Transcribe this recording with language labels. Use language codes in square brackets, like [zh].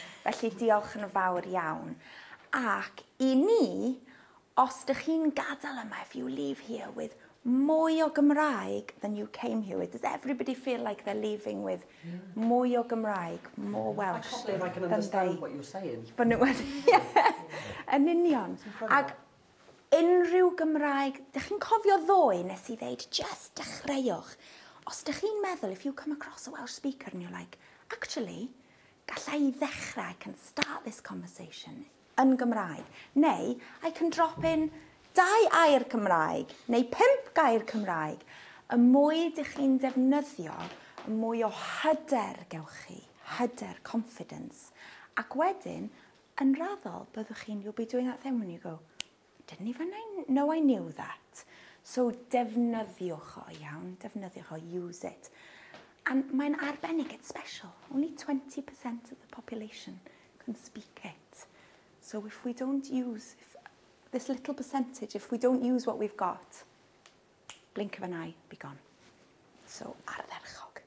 [cy] Felly diolch yn fawr iawn. Ac i ni, os dych chi'n gadael yma, [en] if you leave here with [cy] mwy o Gymraeg [en] than you came here with, does everybody feel like they're leaving with [cy] mwy o Gymraeg, [en] more Welsh? I can't believe I can understand they, what you're saying. But no, yeah, [cy] yn union. Ac unrhyw Gymraeg, dych chi'n cofio ddoe nes i ddeud, just dechreuwch. Os ydych chi'n meddwl, [en] if you come across a Welsh speaker and you're like, actually, [cy] gallai I ddechrau, [en] I can start this conversation [cy] yn Gymraeg. Neu, [en] I can drop in [cy] dau air Cymraeg, neu pimp gair Cymraeg. Y mwy ydych chi'n defnyddio, y mwy o hyder gewch chi. Hyder, confidence. Ac wedyn, yn raddol, byddwch chi'n, [en] you'll be doing that thing when you go, didn't even know I knew that. [cy] So defnyddiwch o iawn, defnyddiwch o, [en] use it. And [cy] mae'n arbennig, [en] it's special. Only 20% of the population can speak it. So if we don't use if this little percentage, if we don't use what we've got, blink of an eye, be gone. So, ardderchol.